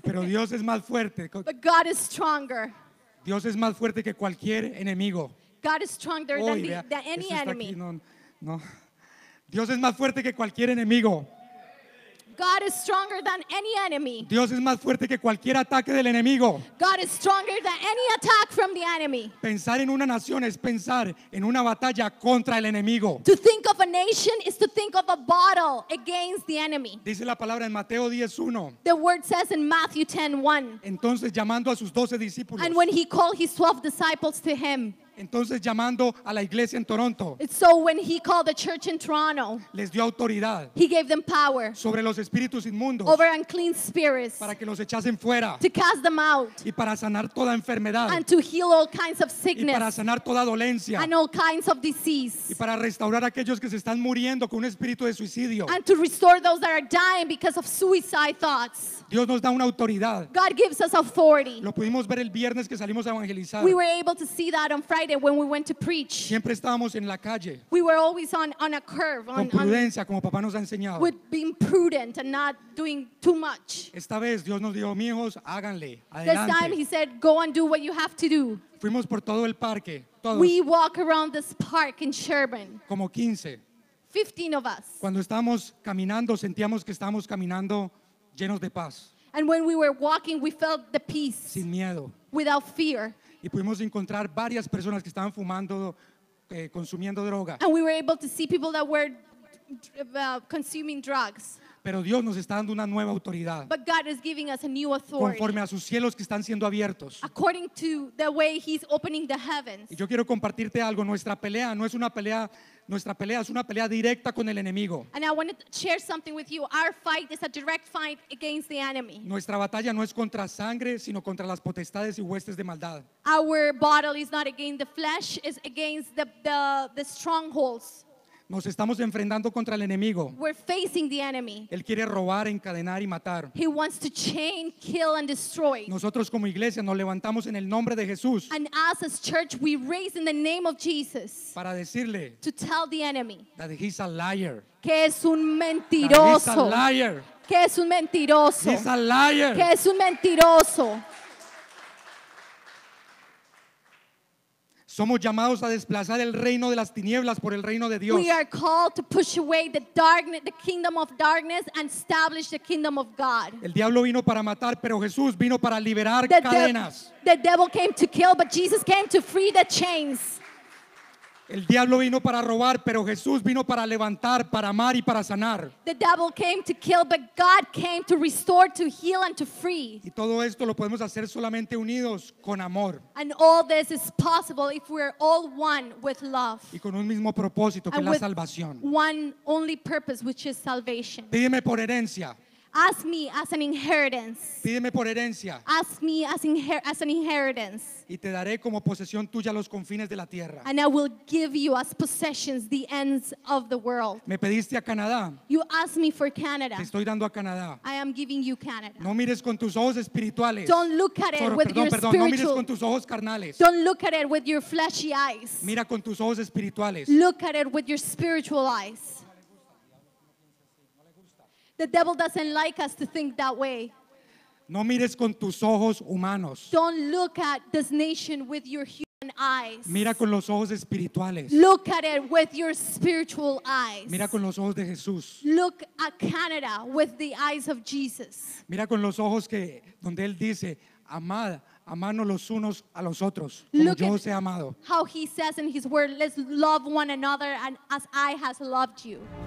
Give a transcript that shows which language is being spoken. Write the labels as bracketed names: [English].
[Spanish] Pero Dios es más fuerte. [English] But God is stronger. [Spanish] Dios es más fuerte que cualquier enemigo. [English] God is stronger [Spanish] hoy, [English] than any enemy. [Spanish] No. Dios es más fuerte que cualquier enemigo. [English] God is stronger than any enemy. [Spanish] Dios es más fuerte que cualquier ataque del enemigo. [English] God is stronger than any attack from the enemy. [Spanish] Pensar en una nación es pensar en una batalla contra el enemigo. [English] To think of a nation is to think of a battle against the enemy. [Spanish] Dice la palabra en Mateo 10:1. [English] The word says in Matthew 10:1. [Spanish] Entonces llamando a sus 12 discípulos. [English] And when he called his 12 disciples to him. [Spanish] Entonces llamando a la iglesia en Toronto. [English] So when he called the church in Toronto, [Spanish] les dio autoridad. [English] He gave them power [Spanish] sobre los espíritus inmundos. [English] Over unclean spirits. [Spanish] Para que los echasen fuera. [English] To cast them out. [Spanish] Y para sanar toda enfermedad. [English] And to heal all kinds of sickness. [Spanish] Y para sanar toda dolencia. [English] And all kinds of disease. [Spanish] Y para restaurar aquellos que se están muriendo con un espíritu de suicidio. [English] And to restore those that are dying because of suicide thoughts. [Spanish] Dios nos da una autoridad. [English] God gives us authority. [Spanish] Lo pudimos ver el viernes que salimos a evangelizar. [English] We were able to see that on Friday when we went to preach. [Spanish] Siempre estábamos en la calle. [English] We were always on a curve. [Spanish] Con prudencia, como papá nos ha enseñado. [English] With being prudent and not doing too much. [Spanish] Esta vez Dios nos dijo, mijos, háganle. Adelante. [English] This time he said, go and do what you have to do. [Spanish] Fuimos por todo el parque. Todos. [English] We walk around this park in Sherburn. [Spanish] Como 15. [English] 15 of us. [Spanish] Cuando estábamos caminando, sentíamos que estábamos caminando llenos de paz. [English] And when we were walking, we felt the peace. [Spanish] Sin miedo. [English] Without fear. [Spanish] Y pudimos encontrar varias personas que estaban fumando, consumiendo droga. [English] And we were able to see people that were consuming drugs. [Spanish] Pero Dios nos está dando una nueva autoridad. [English] But God is giving us a new authority. [Spanish] Conforme a sus cielos que están siendo abiertos. [English] According to the way he's opening the heavens. [Spanish] Y yo quiero compartirte algo. Nuestra pelea no es una pelea. Nuestra pelea es una pelea directa con el enemigo. [English] And I want to share something with you. Our fight is a direct fight against the enemy. [Spanish] Nuestra batalla no es contra sangre, sino contra las potestades y huestes de maldad. [English] Our battle is not against the flesh, it's against the strongholds. [Spanish] Nos estamos enfrentando contra el enemigo. [English] We're facing the enemy. [Spanish] Él quiere robar, encadenar y matar. [English] He wants to chain, kill and destroy. [Spanish] Nosotros como iglesia nos levantamos en el nombre de Jesús. [English] And us as church we raise in the name of Jesus. [Spanish] Para decirle. [English] To tell the enemy. That he's a liar. [Spanish] Que es un mentiroso. [English] That he's a liar. [Spanish] Que es un mentiroso. [English] He's a liar. [Spanish] Que es un mentiroso. Somos llamados a desplazar el reino de las tinieblas por el reino de Dios. [English] We are called to push away the darkness, the kingdom of darkness, and establish the kingdom of God. [Spanish] El diablo vino para matar, pero Jesús vino para liberar cadenas. [English] The devil came to kill, but Jesus came to free the chains. [Spanish] El diablo vino para robar, pero Jesús vino para levantar, para amar y para sanar. [English] The devil came to kill, but God came to restore, to heal, and to free. [Spanish] Y todo esto lo podemos hacer solamente unidos con amor. [English] And all this is possible if we're all one with love. [Spanish] Y con un mismo propósito, que es la salvación. [English] And with one only purpose, which is salvation. [Spanish] Pídeme por herencia. [English] Ask me as an inheritance. [Spanish] Pídeme por herencia. [English] Ask me as an inheritance. [Spanish] Y te daré como posesión tuya los confines de la tierra. [English] And I will give you as possessions the ends of the world. [Spanish] Me pediste a Canadá. [English] You asked me for Canada. [Spanish] Te estoy dando a Canadá. [English] I am giving you Canada. [Spanish] No mires con tus ojos espirituales. [English] Don't look at it with your spiritual. [Spanish] No mires con tus ojos carnales. [English] Don't look at it with your fleshy eyes. [Spanish] Mira con tus ojos espirituales. [English] Look at it with your spiritual eyes. The devil doesn't like us to think that way. [Spanish] No mires con tus ojos humanos. [English] Don't look at this nation with your human eyes. [Spanish] Mira con los ojos espirituales. [English] Look at it with your spiritual eyes. [Spanish] Mira con los ojos de Jesús. [English] Look at Canada with the eyes of Jesus. [Spanish] Mira con los ojos que donde él dice, amad, amanos los unos a los otros, como [English] look [Spanish] yo os he amado. [English] How he says in his word, let's love one another and as I has loved you.